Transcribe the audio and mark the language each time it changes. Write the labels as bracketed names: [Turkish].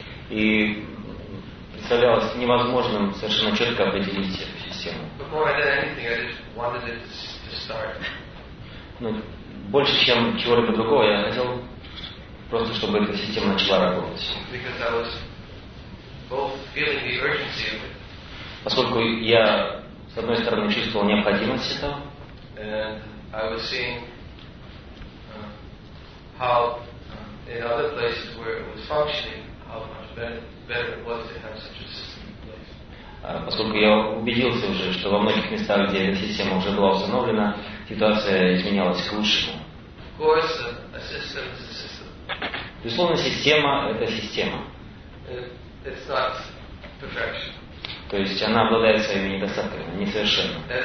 [Russian] И представлялось невозможным совершенно четко определить эту систему. [English] Before I did anything, I just wanted it to start. [Russian] Ну, больше чем чего-либо другого, я хотел просто, чтобы эта система начала работать. [English] Because I was both feeling the urgency of it. [Russian] Поскольку я, с одной стороны, чувствовал необходимость этого. [English] I was seeing how in other places where it was functioning, how much better it was to have such a system in place. [Russian] Поскольку я убедился уже, что во многих местах, где эта система уже была установлена, ситуация изменялась к лучшему. [English] Of course, a system is a system. [Russian] Безусловно, система — это система. [English] It's not perfection. [Russian] То есть она обладает своими недостатками, несовершенно.